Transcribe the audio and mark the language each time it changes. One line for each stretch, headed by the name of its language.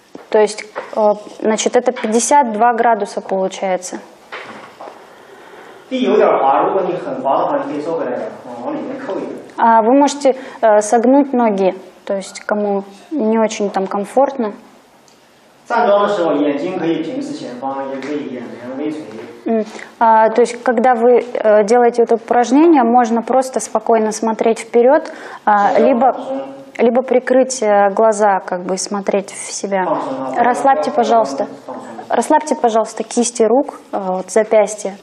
Russian: То есть, значит, это 52 градуса получается.
Chinese: 地有点滑，如果你很滑的话，你可以收回来的，往里面扣一点。
Russian: Вы можете согнуть ноги, то есть кому не очень там комфортно.
Chinese: 站桩的时候，眼睛可以平视前方，也可以眼帘微垂。
Russian: То есть когда вы делаете это упражнение, можно просто спокойно смотреть вперед, либо прикрыть глаза, как бы смотреть в себя. Расслабьте, пожалуйста. Расслабьте, пожалуйста, кисти рук, вот, запястья.